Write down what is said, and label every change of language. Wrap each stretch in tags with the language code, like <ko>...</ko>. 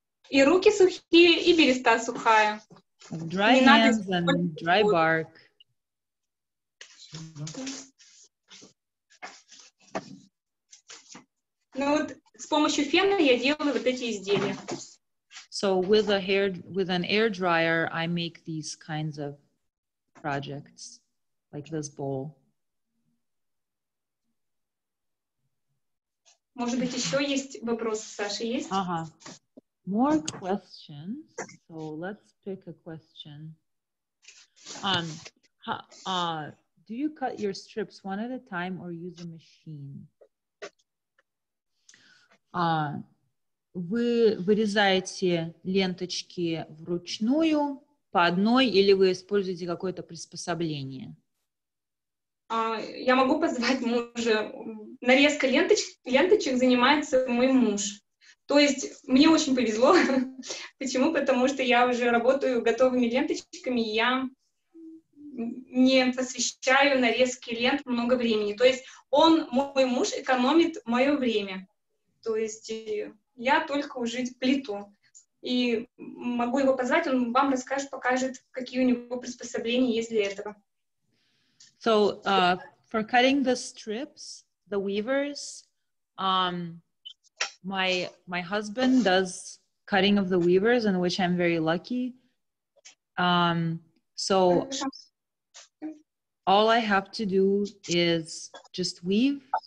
<ru>И руки сухие, и береста сухая.</ru> <en>Dry hands and dry bark.</en> <ru>Ну вот с помощью фена я делаю вот эти изделия.</ru> <en>So with a hair, with an air dryer, I make these kinds of projects, like this bowl.</en> <ru>Может быть, еще есть вопросы, Саша, есть?</ru> <en>Ага. More questions. So let's pick a question. Do you cut your strips one at a time or use a machine?</en> <ru>Вы вырезаете ленточки вручную по одной или вы используете какое-то приспособление? Я могу позвать мужа. Нарезка ленточек занимается мой муж. То есть мне очень повезло. Почему? Потому что я уже работаю готовыми ленточками, я не посвящаю нарезке лент много времени. То есть он, мой муж, экономит мое время. То есть я только уже плету. И могу его позвать, он вам расскажет, покажет, какие у него приспособления есть для этого.</ru> <en>So, for cutting the strips, the weavers, My husband does cutting of the weavers, in which I'm very lucky. So all I have to do is just weave</en>